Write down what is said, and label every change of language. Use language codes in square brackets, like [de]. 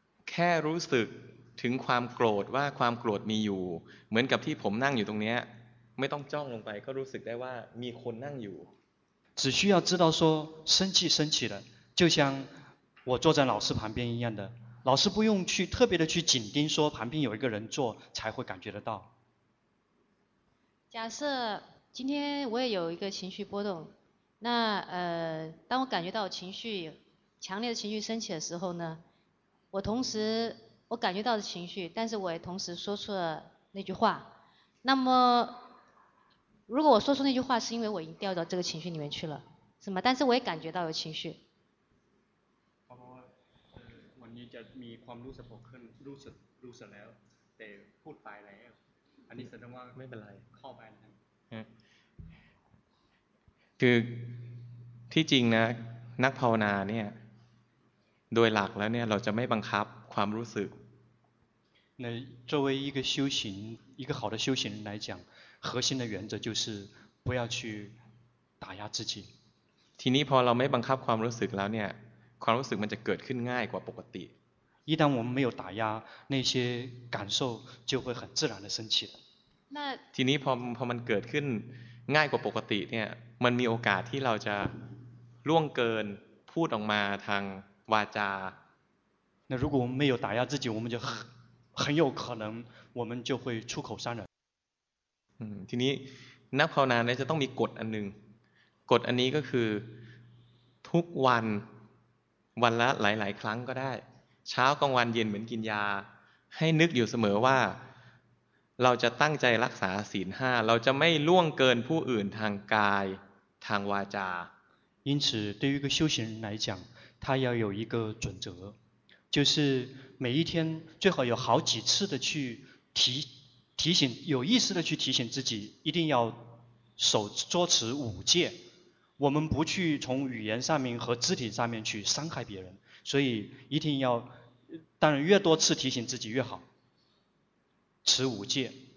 [th] แค่รู้สึกถึงความโกรธว่าความโกรธมีอยู่เหมือนกับที่ผมนั่งอยู่ตรงนี้ไม่ต้องจ้องลงไปก็รู้สึกได้ว่ามีคนนั่งอยู่ [zh] 只需要知道说生气升起了就像我坐在老师旁边一样的老师不用去特别的去紧盯说旁边有一个人坐才会感觉得到假设今天我也有一个情绪波动那当我感觉到情绪强烈的情绪升起的时候呢我同时我感觉到的情绪但是我也同时说出了那句话那么如果我说出那句话是因为我已经掉到这个情绪里面去了是吗但是我也感觉到有情绪 [th] วันนี้จะมีความรู้สึกขึ้นรู้สึกแล้วแต่พูดไปแล้วอันนี้แสดงว่า ไม่เป็นไร เข้าไปนะ คือที่จริงนะนักภาวนาเนี่ยโดยหลักแล้วเนี่ยเราจะไม่บังคับความรู้สึก [zh] 那作为一个修行一个好的修行人来讲核心的原则就是不要去打压自己 [th] ทีนี้พอเราไม่บังคับความรู้สึกแล้วเนี่ยความรู้สึกมันจะเกิดขึ้นง่ายกว่าปกติ [zh] 一旦我们没有打压那些感受就会很自然的升起那 [th] ทีนี้พอมันเกิดขึ้นง่ายกว่าปกติเนี่ยมันมีโอกาสที่เราจะล่วงเกินพูดออกมาทางวาจา [zh] 那如果我们没有打压自己我们就很有可能我们就会出口伤人 [th] ทีนี้นักภาวนาเนี่ยจะต้องมีกฎอันนึงกฎอันนี้ก็คือทุกวันวันละหลายๆครั้งก็ได้เช้ากลางวันเย็นเหมือนกินยาให้นึกอยู่เสมอว่าเราจะตั้งใจรักษาศีล5เราจะไม่ล่วงเกินผู้อื่นทางกายทางวาจา [zh] 因此对于一个修行人来讲他要有一个准则就是每一天最好有好几次的去提醒有意识的去提醒自己一定要守捉持五戒我们不去从语言上面和肢体上面去伤害别人所以一定要当然越多次提醒自己越好持五戒